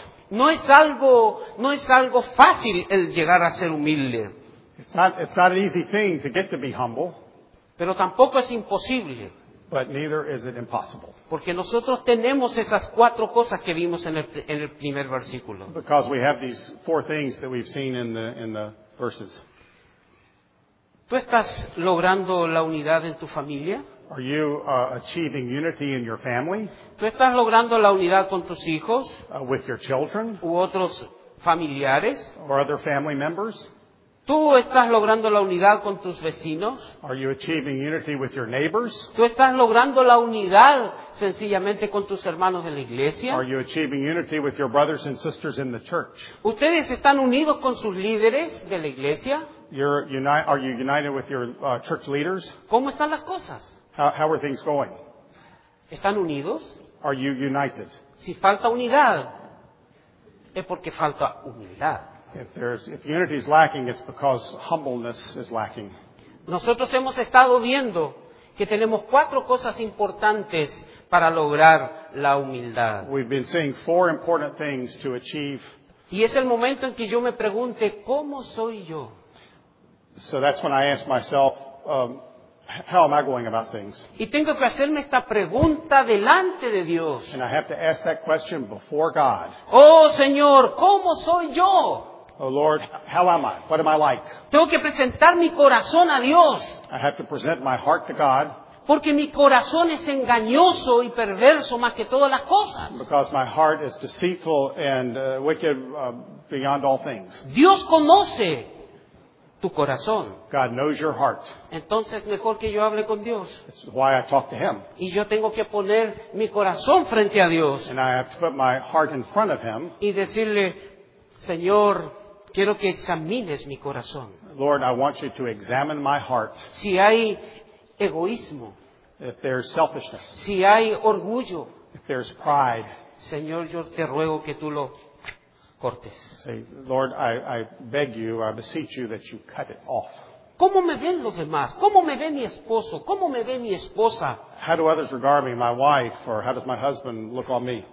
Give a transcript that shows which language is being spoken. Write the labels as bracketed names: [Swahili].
[Spanish] No es algo fácil el llegar a ser humilde. [English] It's not an easy thing to get to be humble. [Spanish] Pero tampoco es imposible. [English] But neither is it impossible. [Spanish] Porque nosotros tenemos esas cuatro cosas que vimos en el primer versículo. [English] Because we have these four things that we've seen in the verses. [Spanish] ¿Tú estás logrando la unidad en tu familia? [English] Are you achieving unity in your family? [Spanish] ¿Tú estás logrando la unidad con tus hijos? [English] With your children? [Spanish] ¿U otros familiares? [English] Or other family members? [Spanish] ¿Tú estás logrando la unidad con tus vecinos? [English] Are you achieving unity with your neighbors? [Spanish] ¿Tú estás logrando la unidad sencillamente con tus hermanos de la iglesia? [English] Are you achieving unity with your brothers and sisters in the church? [Spanish] ¿Ustedes están unidos con sus líderes de la iglesia? [English] Are you united with your church leaders? [Spanish] ¿Cómo están las cosas? [English] How are things going? [Spanish] ¿Están unidos? [English] Are you united? [Spanish] Si falta unidad, es porque falta humildad. [English] If unity is lacking, it's because humbleness is lacking. [Spanish] Nosotros hemos estado viendo que tenemos cuatro cosas importantes para lograr la humildad. [English] We've been seeing four important things to achieve. [Spanish] Y es el momento en que yo me pregunte, ¿cómo soy yo? [English] So that's when I ask myself, how am I going about things? [Spanish] Y tengo que hacerme esta pregunta delante de Dios. [English] And I have to ask that question before God. [Spanish] Oh, Señor, ¿cómo soy yo? [English] Oh, Lord, how am I? What am I like? [Spanish] Tengo que presentar mi corazón a Dios. [English] I have to present my heart to God. [Spanish] Porque mi corazón es engañoso y perverso más que todas las cosas. [English] Because my heart is deceitful and wicked beyond all things. [Spanish] Dios conoce tu corazón. [English] God knows your heart. [Spanish] Entonces, mejor que yo hable con Dios. [English] That's why I talk to Him. [Spanish] Y yo tengo que poner mi corazón frente a Dios. [English] And I have to put my heart in front of Him. [Spanish] Y decirle, Señor, quiero que examines mi corazón. [English] Lord, I want you to examine my heart. [Spanish] Si hay egoísmo. [English] If there's selfishness. [Spanish] Si hay orgullo. [English] If there's pride. [Spanish] Señor, yo te ruego que tú lo cortes. [English] Say, Lord, I beg you, I beseech you that you cut it off. [Spanish] ¿Cómo me ven los demás? ¿Cómo me ve mi esposo? ¿Cómo me ve mi esposa? [English] How do others regard me, my wife, or how does my husband look on me?